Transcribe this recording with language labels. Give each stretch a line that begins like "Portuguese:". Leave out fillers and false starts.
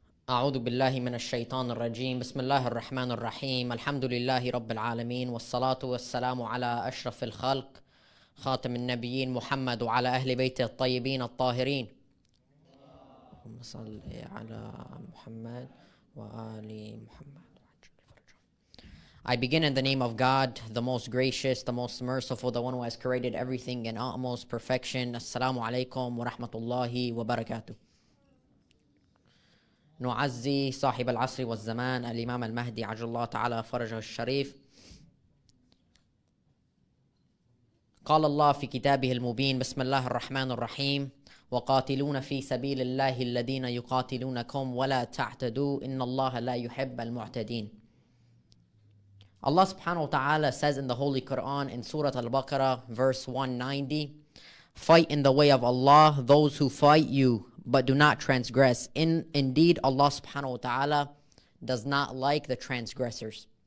Arabic: أعوذ بالله من الشيطان الرجيم بسم الله الرحمن الرحيم الحمد لله رب العالمين والصلاة والسلام على أشرف الخلق خاتم النبيين محمد وعلى أهل بيته الطيبين الطاهرين صلى على محمد وآل محمد وعجل فرجهم.
English: I begin in the name of God, the most gracious, the most merciful, the one who has created everything in utmost perfection.
Arabic: Assalamu alaikum wa rahmatullahi wa barakatuh. نعزي صاحب العصر والزمان الإمام المهدي عجل الله تعالى فرجه الشريف. قال الله في كتابه المبين بسم الله الرحمن الرحيم. وقاتلون في سبيل الله الذين يقاتلونكم ولا تعتدوا إن الله لا يحب المعتدين.
English: Allah subhanahu wa ta'ala says in the Holy Quran in Surah Al-Baqarah verse 190, fight in the way of Allah those who fight you but do not transgress. Indeed Allah subhanahu wa ta'ala does not like the transgressors.